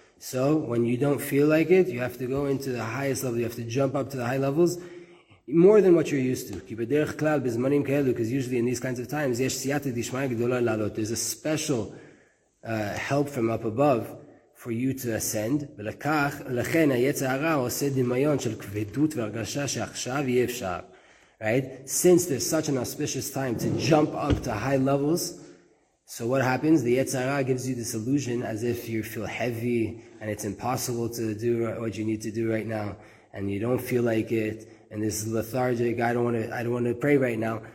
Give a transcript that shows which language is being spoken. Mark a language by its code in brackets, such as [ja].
[en] So when you don't feel like it, you have to go into the highest level, you have to jump up to the high levels, more than what you're used to. Because usually in these kinds of times, there's a special help from up above for you to ascend. [he] ולכך, לכן היצר הרע עושה דמיון של כבדות והרגשה שעכשיו אי אפשר. [en] Right? Since there's such an auspicious time to jump up to high levels, so what happens? The yetzer hara gives you this illusion as if you feel heavy and it's impossible to do what you need to do right now and you don't feel like it and this is lethargic, I don't want to pray right now.